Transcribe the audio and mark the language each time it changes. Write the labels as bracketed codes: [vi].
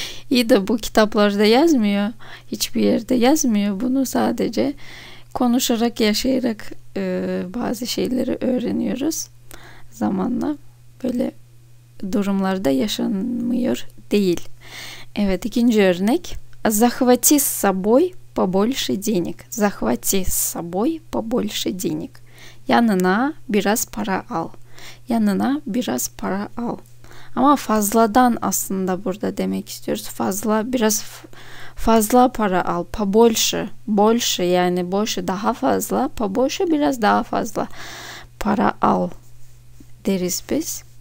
[tr] İyi de bu kitaplarda yazmıyor. Hiçbir yerde yazmıyor. Bunu sadece konuşarak, yaşayarak bazı şeyleri öğreniyoruz. Zamanla böyle durumlarda yaşanmıyor değil. Evet, ikinci örnek. [ru] Захвати с собой побольше денег. Захвати с собой побольше денег. [tr] Yanına biraz para al. Yanına biraz para al. Ama fazladan aslında burada demek istiyoruz. Fazla, biraz fazla para al. [ru] Побольше. [tr] Больше, yani больше daha fazla. Побольше biraz daha fazla para al deriz biz.